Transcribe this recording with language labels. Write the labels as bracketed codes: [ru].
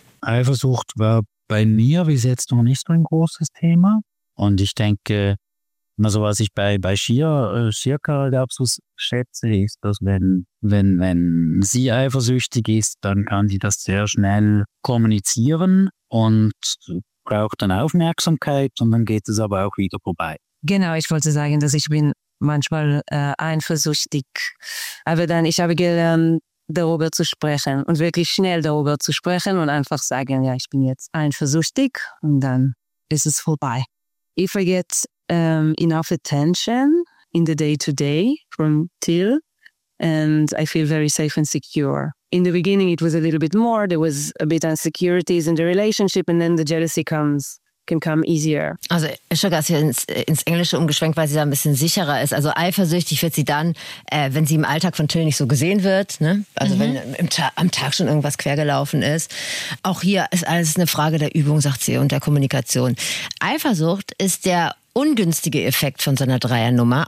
[de] Eifersucht war bei mir bis jetzt noch nicht so ein großes Thema und ich denke, also was ich bei Shirka absolut schätze, ist, dass wenn sie eifersüchtig ist, dann kann sie das sehr schnell kommunizieren und braucht dann Aufmerksamkeit und dann geht es aber auch wieder vorbei. Genau, ich wollte sagen, dass ich bin manchmal eifersüchtig, aber dann ich habe gelernt, darüber zu sprechen und wirklich schnell darüber zu sprechen und einfach sagen, ja, ich bin jetzt eifersüchtig und dann ist es vorbei. [en] If I get enough attention in the day-to-day from Till, and I feel very safe and secure. In the beginning, it was a little bit more. There was a bit insecurities in the relationship, and then the jealousy can come easier. [de] Also Sugar ist hier ins Englische umgeschwenkt, weil sie da ein bisschen sicherer ist. Also eifersüchtig wird sie dann, wenn sie im Alltag von Till nicht so gesehen wird, ne? Also wenn am Tag schon irgendwas quergelaufen ist. Auch hier ist alles eine Frage der Übung, sagt sie, und der Kommunikation. Eifersucht ist der ungünstige Effekt von so einer Dreiernummer.